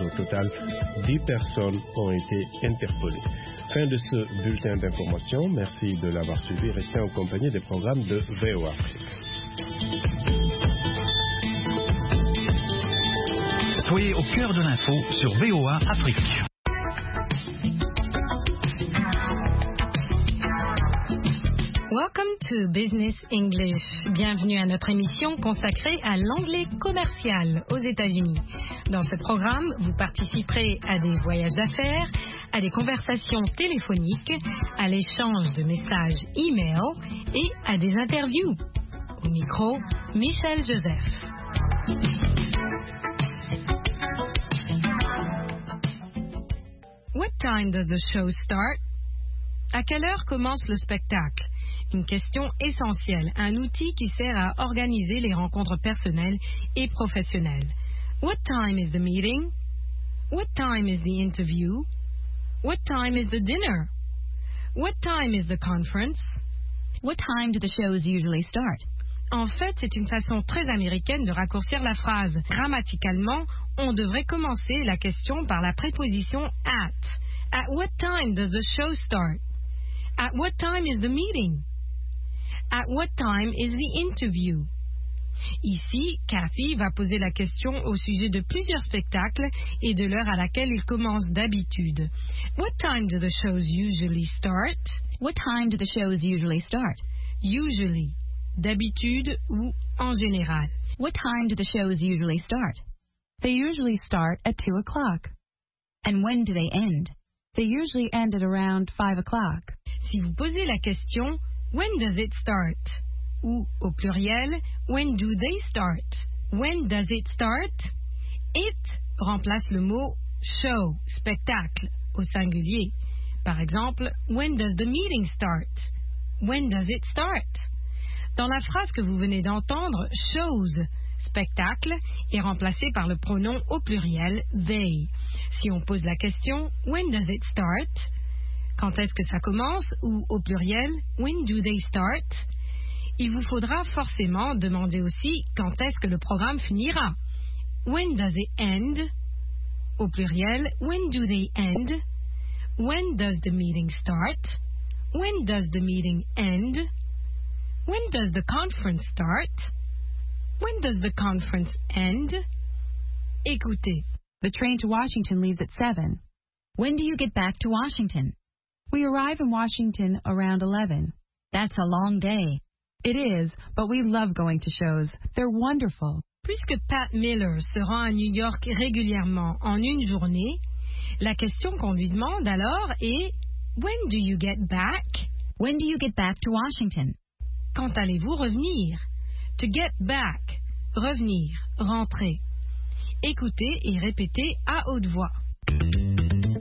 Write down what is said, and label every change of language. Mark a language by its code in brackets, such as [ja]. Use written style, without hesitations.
[fr] Au total, 10 personnes ont été interpellées. Fin de ce bulletin d'information. Merci de l'avoir suivi. Restez en compagnie des programmes de VOA. Soyez au cœur de l'info sur VOA Afrique. [en] Welcome to Business English. [fr] Bienvenue à notre émission consacrée à l'anglais commercial aux États-Unis. Dans ce programme, vous participerez à des voyages d'affaires, à des conversations téléphoniques, à l'échange de messages e-mail et à des interviews. Au micro, Michel Joseph. [en] What time does the show start? [fr] À quelle heure commence le spectacle? Une question essentielle, un outil qui sert à organiser les rencontres personnelles et professionnelles. [en] What time is the meeting? What time is the interview? What time is the dinner? What time is the conference? What time do the shows usually start? [fr] En fait, c'est une façon très américaine de raccourcir la phrase. Grammaticalement, on devrait commencer la question par la préposition at. [en] At what time does the show start? At what time is the meeting? At what time is the interview? [fr] Ici, Cathy va poser la question au sujet de plusieurs spectacles et de l'heure à laquelle ils commencent d'habitude. [en] What time do the shows usually start? What time do the shows usually start? Usually. [fr] D'habitude ou en général. [en] What time do the shows usually start? They usually start at 2 o'clock. And when do they end? They usually end at around 5 o'clock. [fr] Si vous posez la question, [en] when does it start? [fr] Ou au pluriel, [en] when do they start? When does it start? [fr] It remplace le mot show, spectacle, au singulier. Par exemple, [en] when does the meeting start? When does it start? [fr] Dans la phrase que vous venez d'entendre, shows, spectacle, est remplacé par le pronom au pluriel, they. Si on pose la question, [en] when does it start? [fr] Quand est-ce que ça commence? Ou au pluriel, [en] when do they start? [fr] Il vous faudra forcément demander aussi quand est-ce que le programme finira. [en] When does it end? [fr] Au pluriel, [en] when do they end? When does the meeting start? When does the meeting end? When does the conference start? When does the conference end? [fr] Écoutez. [en] The train to Washington leaves at 7. When do you get back to Washington? We arrive in Washington around 11. That's a long day. It is, but we love going to shows. They're wonderful. [fr] Puisque Pat Miller se rend à New York régulièrement en une journée, la question qu'on lui demande alors est [en] When do you get back? When do you get back to Washington? [fr] Quand allez-vous revenir? [en] To get back. [fr] Revenir. Rentrer. Écoutez et répétez à haute voix.